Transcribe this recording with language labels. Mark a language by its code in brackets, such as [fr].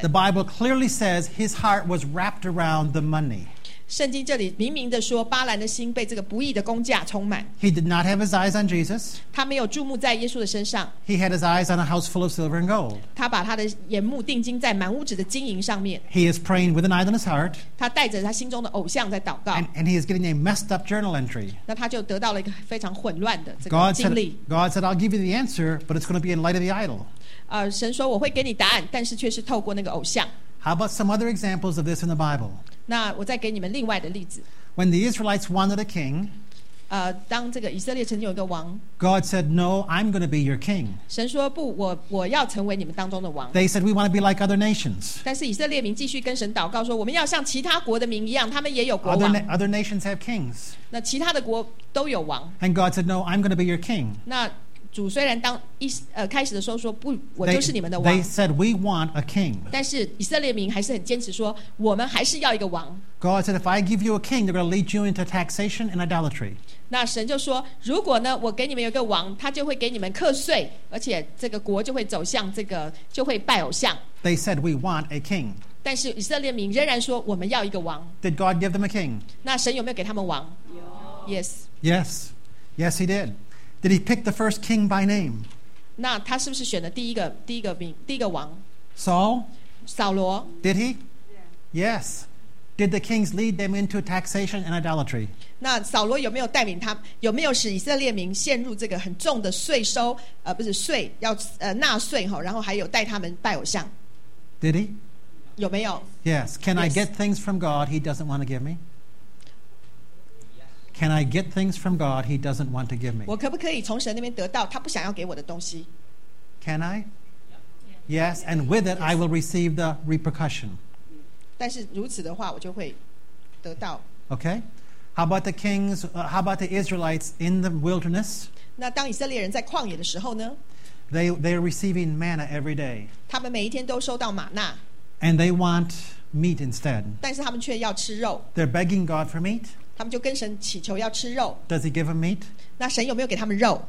[en] The Bible clearly says his heart was wrapped around the money. [zh] 圣经这里明明地说巴兰的心被这个不义的工价充满。 [en] He did not have his eyes on Jesus. [zh] 他没有注目在耶稣的身上。 [en] He had his eyes on a house full of silver and gold. [zh] 他把他的眼目定睛在满屋子的金银上面。 [en] He is praying with an idol in his heart. [zh] 他带着他心中的偶像在祷告。 [en] And he is getting a messed up journal entry. [zh] 那他就得到了一个非常混乱的这个经历。 [en] God said, I'll give you the answer, but it's going to be in light of the idol. [zh] 神说我会给你答案，但是却是透过那个偶像。 [en] How about some other examples of this in the Bible? [zh] 那我再给你们另外的例子。 [en] When the Israelites wanted a king, [zh] 当这个以色列曾经有一个王。 [en] God said, "No, I'm going to be your king." [zh] 神说不，我要成为你们当中的王。 [en] They said, "We want to be like other nations." [zh] 但是以色列民继续跟神祷告说，我们要像其他国的民一样，他们也有国王。 [en] Other nations have kings. [zh] 那其他的国都有王。 [en] And God said, "No, I'm going to be your king." [zh] 那主虽然当一开始的时候说不，我就是你们的王。 [en] They said we want a king. [zh] 但是以色列民还是很坚持说，我们还是要一个王。 [en] God said if I give you a king, they're going to lead you into taxation and idolatry. [zh] 那神就说，如果呢，我给你们有一个王，他就会给你们课税，而且这个国就会走向这个，就会拜偶像。 [en] They said we want a king. [zh] 但是以色列民仍然说，我们要一个王。 [en] Did God give them a king? [zh] 那神有没有给他们王？有。 [en] Yes. Yes. Yes, he did. Did he pick the first king by name? [zh] 那他是不是选了第一个王? [en] Saul? [zh] 扫罗? [en] Did he? Yeah. Yes. Did the kings lead them into taxation and idolatry? [zh] 那扫罗有没有带领他,有没有使以色列民陷入这个很重的税收,不是税,要纳税,然后还有带他们拜偶像? [en] Did he? [zh] 有没有? [en] Yes. Can I get things from God he doesn't want to give me? Can I get things from God he doesn't want to give me? [zh] 我可不可以从神那边得到他不想要给我的东西? [en] Can I? Yes, and with it, I will receive the repercussion. [zh] 但是如此的话我就会得到。 [en] Okay. How about the kings, how about the Israelites in the wilderness? [zh] 那当以色列人在旷野的时候呢? [en] They are receiving manna every day. [zh] 他们每一天都收到玛纳。 [en] And they want meat instead. [zh] 但是他们却要吃肉。 [en] They're begging God for meat. [zh] 他们就跟神祈求要吃肉。 [en] Does he give them meat? [zh] 那神有没有给他们肉?